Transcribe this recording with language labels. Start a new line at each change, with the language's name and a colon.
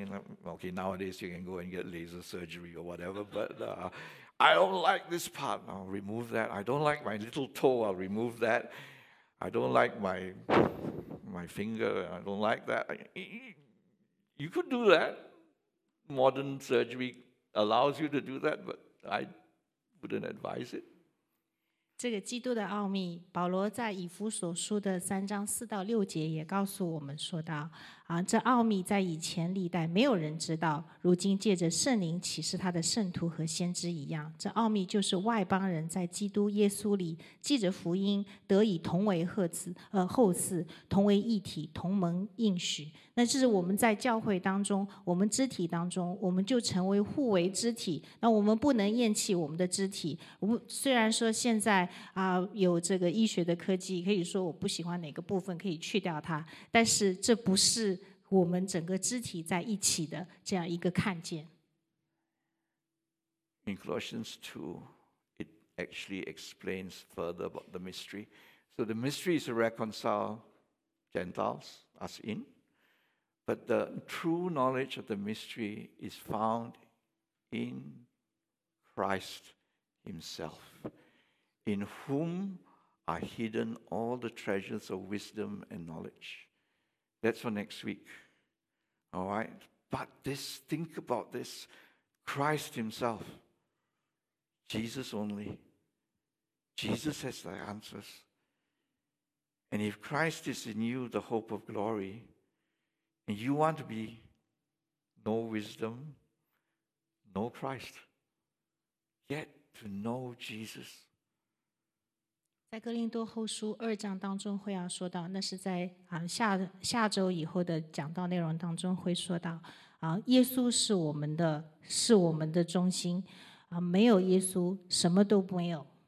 English: And okay, nowadays you can go and get laser surgery or whatever, but I don't like this part, I'll remove that. I don't like my little toe, I'll remove that. I don't like my finger, I don't like that. You could do that. Modern surgery allows you to do that, but I wouldn't advise it.
Chinese: 这个基督的奥秘，保罗在以弗所书的三章四到六节也告诉我们说到，这奥秘在以前历代没有人知道，如今借着圣灵启示他的圣徒和先知一样，这奥秘就是外邦人在基督耶稣里借着福音得以同为后嗣，同为一体，同盟应许。那这是我们在教会当中，我们肢体当中，我们就成为互为肢体。那我们不能厌弃我们的肢体。我们虽然说现在有这个医学的科技，可以说我不喜欢哪个部分可以去掉它，但是这不是我们整个肢体在一起的这样一个看见。
English: In Colossians 2, it actually explains further about the mystery. So the mystery is to reconcile Gentiles, us in. But the true knowledge of the mystery is found in Christ himself, in whom are hidden all the treasures of wisdom and knowledge. That's for next week. All right? But this, think about this, Christ himself, Jesus only. Jesus has the answers. And if Christ is in you, the hope of glory,And you want to be no wisdom, no Christ, yet to know Jesus.
Chinese: 在哥林多后书二章当中会要说到，那是在下周以后的讲道内容当中会说到，耶稣是我们的中心，没有耶稣什么都没有。